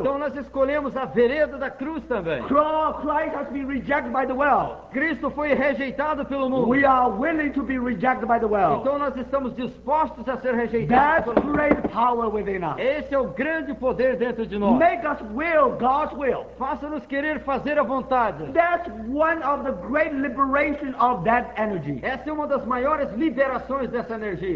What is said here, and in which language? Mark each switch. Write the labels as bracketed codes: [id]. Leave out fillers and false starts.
[pt] Então nós escolhemos a vereda da cruz também. [en] Christ has been rejected by the world. [pt] Cristo foi rejeitado pelo mundo. [en] We are willing to be rejected by the world. [pt] Então nós estamos dispostos a ser rejeitados. [en] That's great power within us. [pt] Esse é o grande poder dentro de nós. [en] Make us will God's will. [pt] Faça-nos querer fazer a vontade. [en] That's one of the great liberation of that energy. [pt] Essa é uma das maiores liberações dessa energia.